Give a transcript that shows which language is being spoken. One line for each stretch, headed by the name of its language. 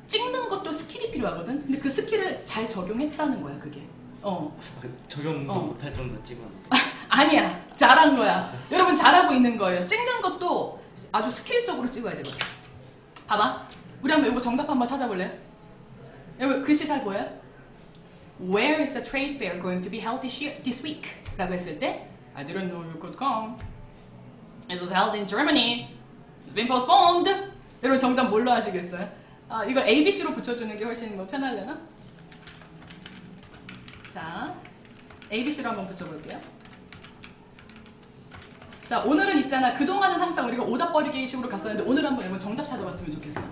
Korean: 찍는 것도 스킬이 필요하거든. 근데 그 스킬을 잘 적용했다는 거야, 그게. 적용도 못할 정도 찍었는데. 아니야. 잘한 거야. 여러분 잘하고 있는 거예요. 찍는 것도 아주 스킬적으로 찍어야 되거든. 봐봐. 우리 한번 이거 정답 한번 찾아볼래? 여기 글씨 잘 보여요?
English: Where is the trade fair going to be held this week?
Korean: 라고 했을 때
English: I didn't know you could come. It was held in Germany. It's been postponed.
Korean: 여러분 정답 뭘로 하시겠어요? 아, 이걸 ABC로 붙여주는 게 훨씬 뭐 편하려나? 자, ABC로 한번 붙여볼게요. 자, 오늘은 있잖아. 그동안은 항상 우리가 오답버리기 식으로 갔었는데 오늘 한번 여러분 정답 찾아봤으면 좋겠어.